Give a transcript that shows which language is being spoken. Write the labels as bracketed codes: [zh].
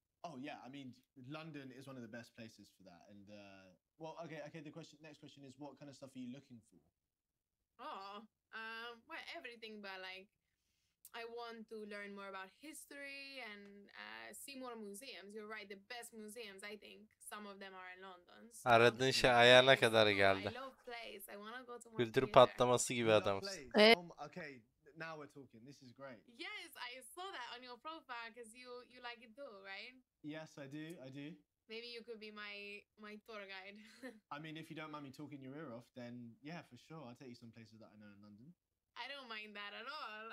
[en] Oh yeah, I mean London is one of the best places for that. And the next question is what kind of stuff are you looking for? Oh, well everything but like I want to learn more about history and see more museums. You're right, the best museums, I think, some of them are in London. [tr] So aradığın şey ayağına kadar geldi. [en] I love place. I want to go to more. [tr] Kültür patlaması gibi adamsın. [en] Okay, now we're talking. This is great. Yes, I saw that on your profile because you like it too, right? Yes, I do. Maybe you could be my tour guide. I mean, if you don't mind me talking your ear off, then yeah, for sure. I'll take you some places that I know in London. I don't mind that at all.